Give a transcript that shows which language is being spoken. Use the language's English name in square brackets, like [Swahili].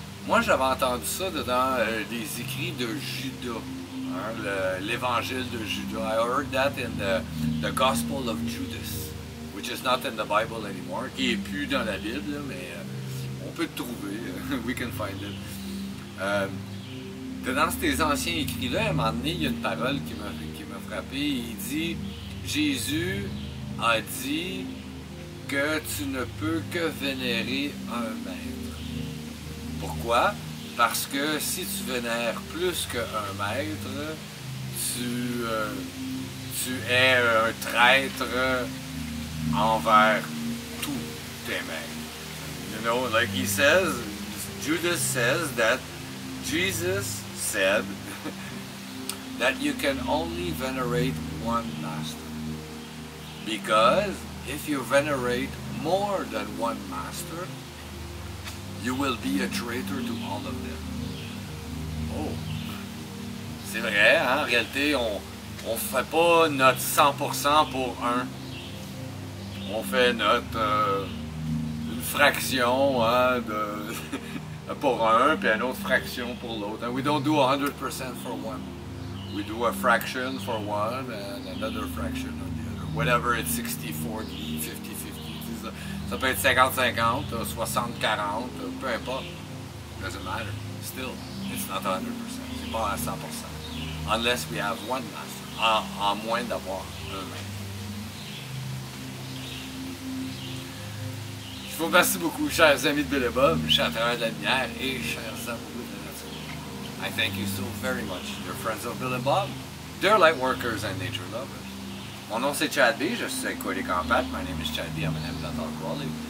[French] Moi, j'avais entendu ça dedans les écrits de Judas. Hein, l'évangile de Judas. [English] I heard that in the Gospel of Judas, which is not in the Bible anymore. [French] Qui est plus dans la Bible, mais on peut le trouver. [English] We can find it. [French] Dans ces anciens écrits-là, à un moment donné, il y a une parole qui m'a frappé. Il dit, Jésus a dit que tu ne peux que vénérer un maître. Pourquoi? Parce que si tu vénères plus qu'un maître, tu es un traître envers tous tes maîtres. [English] You know, like he says, Judas says that Jesus said that you can only venerate one master, because if you venerate more than one master, you will be a traitor to all of them. [French] Oh, c'est vrai, hein? En réalité, on fait pas notre 100% pour un, on fait notre une fraction, hein, de pour un, puis une autre fraction pour l'autre. [English] And we don't do 100% for one. We do a fraction for one, and another fraction on the other. Whatever, it's 60-40, 50-50. [French] Ça peut être 50-50, 60-40, peu importe. [English] Doesn't matter. Still, it's not 100%. [French] C'est pas à 100%. [English] Unless we have one master. [French] En moins d'avoir un maître. Je vous remercie beaucoup, chers amis de Billy Bob, chers travailleurs de la lumière et chers amoureux de la nature. [English] I thank you so very much, your friends of Billy Bob, dear light workers and nature lovers. [French] Mon nom c'est Chad B, je suis avec Cody Campat. [English] My name is Chad B, I'm an Implantor Crawley.